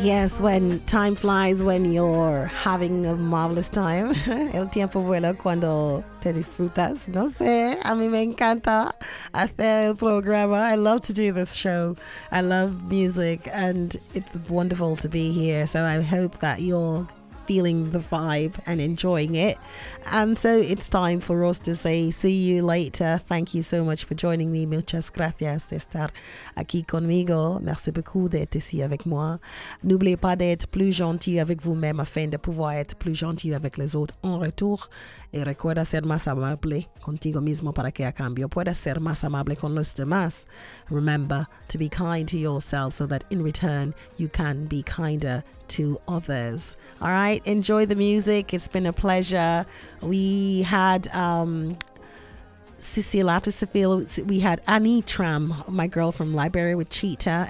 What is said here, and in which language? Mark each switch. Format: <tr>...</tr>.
<en>Yes, when time flies, when you're having a marvelous time.</en> <es>El tiempo vuela cuando te disfrutas. No sé, a mí me encanta hacer el programa.</es> <en>I love to do this show. I love music and it's wonderful to be here. So I hope that you're feeling the vibe and enjoying it. And so it's time for us to say see you later. Thank you so much for joining me.</en> <es>Muchas gracias de estar aquí conmigo.</es> <fr>Merci beaucoup d'être ici avec moi. N'oubliez pas d'être plus gentil avec vous-même afin de pouvoir être plus gentil avec les autres en retour.</fr> <es>Y recuerda ser más amable contigo mismo para que a cambio puedas ser más amable con los demás.</es> <en>Remember to be kind to yourself so that in return you can be kinder to others. All right, enjoy the music. It's been a pleasure. We had Cecile after Sophia. We had Annie Tram, my girl from Liberia with Cheetah.</en>